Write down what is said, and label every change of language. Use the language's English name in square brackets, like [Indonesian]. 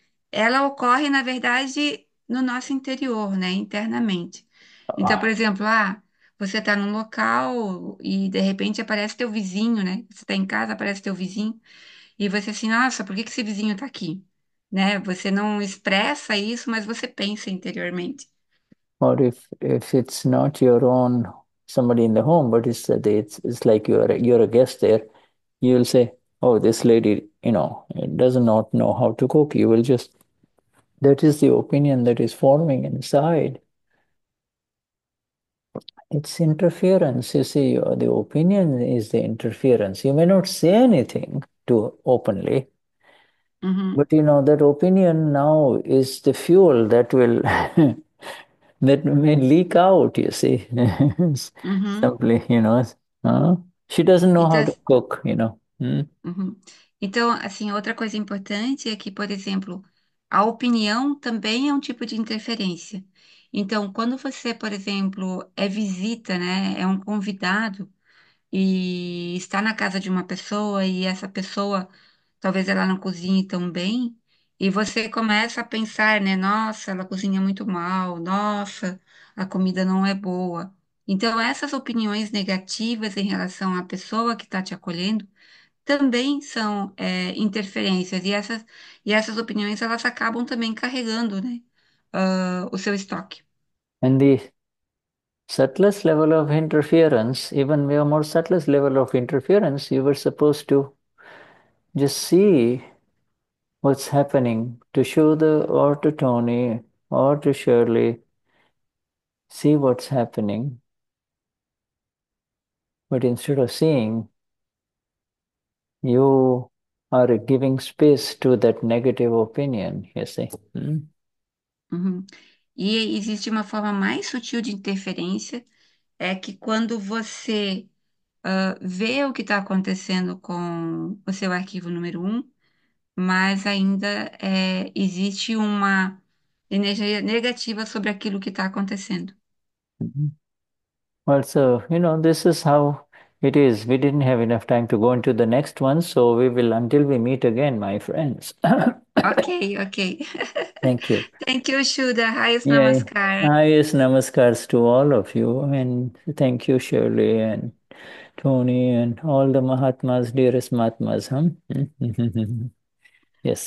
[Portuguese] Ela ocorre, na verdade, no nosso interior, né? Internamente. Então, por exemplo, você está num local e de repente aparece teu vizinho, né? Você está em casa, aparece teu vizinho, e você assim, nossa, por que que esse vizinho está aqui? Né? Você não expressa isso, mas você pensa interiormente. [English] Or if it's not your own, somebody in the home, but it's like you're a guest there, you'll say, "Oh, this lady, you know, does not know how to cook." You will just, that is the opinion that is forming inside. It's interference, you see, the opinion is the interference. You may not say anything too openly, but you know that opinion now is the fuel that will that may leak out, you see. Simply, you know. She doesn't know how to cook, you know. [Portuguese] Então, assim, outra coisa importante é que, por exemplo, a opinião também é um tipo de interferência. Então, quando você, por exemplo, é visita, né, é um convidado e está na casa de uma pessoa e essa pessoa talvez ela não cozinhe tão bem, e você começa a pensar, né? Nossa, ela cozinha muito mal, nossa, a comida não é boa. Então, essas opiniões negativas em relação à pessoa que está te acolhendo também são interferências, e essas opiniões elas acabam também carregando, né, o seu estoque. [English] And the subtlest level of interference, even your more subtlest level of interference, you were supposed to just see what's happening to Shuddha or to Tony or to Shirley. See what's happening. But instead of seeing, you are giving space to that negative opinion, you see. [Portuguese] E existe uma forma mais sutil de interferência, é que quando você vê o que está acontecendo com o seu arquivo número 1, mas ainda existe uma energia negativa sobre aquilo que está acontecendo. [English] Well, so, you know, this is how it is. We didn't have enough time to go into the next one, so we will until we meet again, my friends. Ok. Thank you. Thank you, Shuda. Highest Yeah. namaskar. Highest namaskars to all of you, and thank you, Shirley and Tony and all the Mahatmas, dearest Mahatmas, Yes.